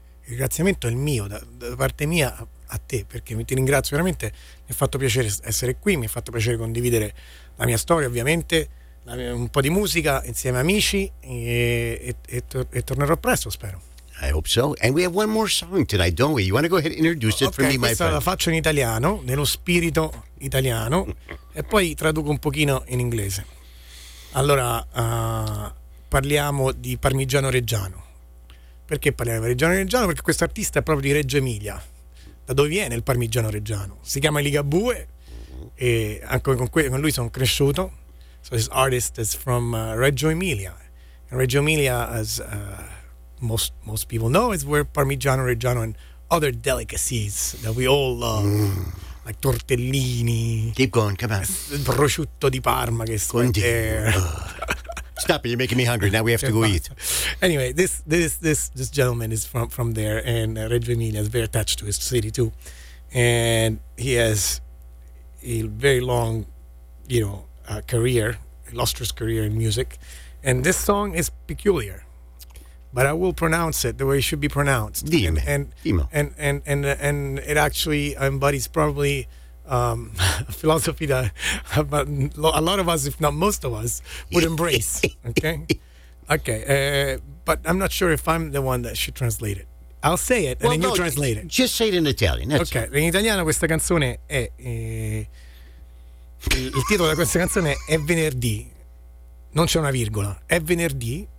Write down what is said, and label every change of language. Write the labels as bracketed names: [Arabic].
[Italian] Il ringraziamento è il mio, da parte mia a te, perché ti ringrazio veramente. Mi ha fatto piacere essere qui, mi ha fatto piacere condividere la mia storia, ovviamente, un po' di musica insieme a amici, e tornerò presto, spero. [English] I hope so. And we have one more song tonight, don't we? You want to go ahead and introduce it for me, my friend? [Italian] La faccio in italiano, nello spirito italiano, e poi traduco un pochino in inglese. Allora, parliamo di Parmigiano Reggiano. Perché parliamo di Parmigiano Reggiano? Perché questo artista è proprio di Reggio Emilia. Da dove viene il Parmigiano Reggiano? Si chiama Ligabue, e anche con lui sono cresciuto. [English] So this artist is from Reggio Emilia. And Reggio Emilia has... Most people know is where Parmigiano Reggiano and other delicacies that we all love, like tortellini. Keep going, come on. [Italian] Prosciutto di Parma, che sono [English] there. Stop it! You're making me hungry. Now we have to go eat. Anyway, this gentleman is from there, and Reggio Emilia is very attached to his city too, and he has a very long, you know, career, illustrious career in music, and this song is peculiar. But I will pronounce it the way it should be pronounced. [Italian] Dime. [English] And it actually embodies probably a philosophy that a lot of us, if not most of us, would embrace. Okay. But I'm not sure if I'm the one that should translate it. I'll say it, and then you translate it. Just say it in Italian. That's okay. It. [Italian] In italiano questa canzone è il titolo di questa canzone è Venerdì. Non c'è una virgola. È Venerdì.